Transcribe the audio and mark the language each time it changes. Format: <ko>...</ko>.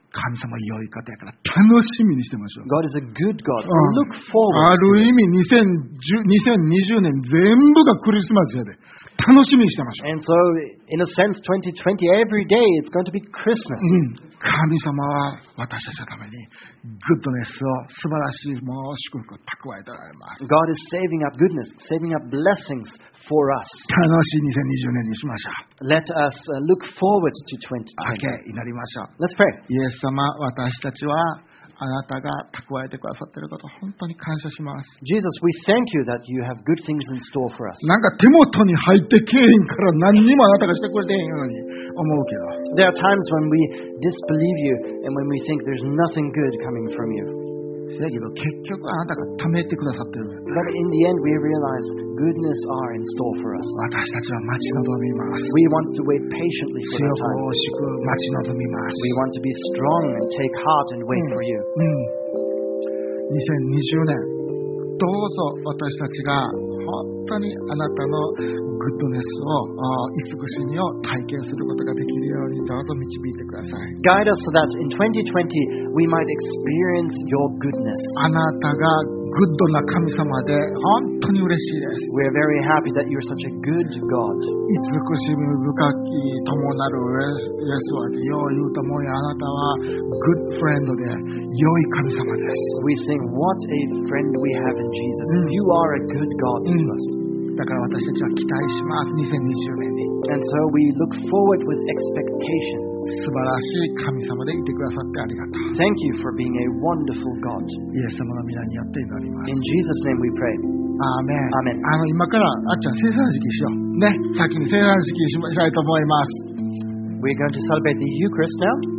<ja>神様は良い方やから楽しみにしてましょう。</ja> <en>God is a good God. So look forward.</en> <ja>ある意味2020年全部がクリスマスやで。楽しみにしてましょう。</ja> <en>And so, in a sense, 2020, every day it's going to be Christmas.</en> <ja>神様は私たちのためにグッドネスを素晴らしいもう祝福を蓄えておられます。</ja> <en>God is saving up goodness, saving up blessings for us.</en> <ja>楽しい2020年にしましょう。</ja> <en>Let us look forward to 2020.</en> <ja>Okay, 祈りましょう。</ja> <en>Let's pray.</en> <ja>イエス様、私たちはあなたが蓄えてくださっていることを本当に感謝します。</ja> <en>Jesus, we thank you that you have good things in store for us.</en> <ja>なんか手元に入ってけへんから何にもあなたがしてくれてへんのに思うけど。</ja> <en>There are times when we disbelieve you and when we think there's nothing good coming from you.</en> <ja>だけど結局あなたが貯めてくださってる。</ja> <en>But in the end, we realize goodness are in store for us.</en> <ja>私たちは待ち望みます。</ja> <en>We want to wait patiently for your time.</en> <ja>主よ、欲しく待ち望みます。</ja> <en>We want to be strong and take heart and wait for you.</en> <ja>2020年、どうぞ私たちが本当にあなたのグッドネスを、慈しみを体験することができるようにどうぞ導いてください。</ja> <en>Guide us so that in 2020 we might experience your goodness.</en> <ja>あなたがグッドな神様で本当に嬉しいです。</ja> <en>We are very happy that you are such a good God.</en> <ja>慈しみ深き友なるイエスはよう言うと思うよ。あなたは</ja> <en>good friend</en> <ja>で良い神様です。</ja> <en>We sing, what a friend we have in Jesus. You are a good God to us.</en> <ja>だから私たちは期待します。 2020年に。</ja> <en>And so we look forward with expectations.</en> <ja>素晴らしい神様でいてくださってありがとう。</ja> <en>Thank you for being a wonderful God.</en> <ja>イエス様の皆によって祈ります。</ja> <en>In Jesus' name we pray.</en> <ja>アーメン。アーメン。今からあっちゃん聖餐式しよう。ね、先に聖餐式しましたいと思います。</ja> <en>We're going to celebrate the Eucharist now.</en>